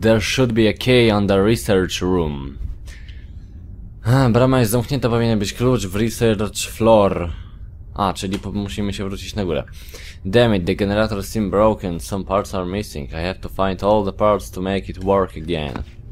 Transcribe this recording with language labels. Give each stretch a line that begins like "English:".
English: There should be a key on the research room.
Polish: Brama jest zamknięta, powinien być klucz w research floor. A, czyli musimy się wrócić na górę.
English: Damn it, the generator seems broken. Some parts are missing. I have to find all the parts to make it work again.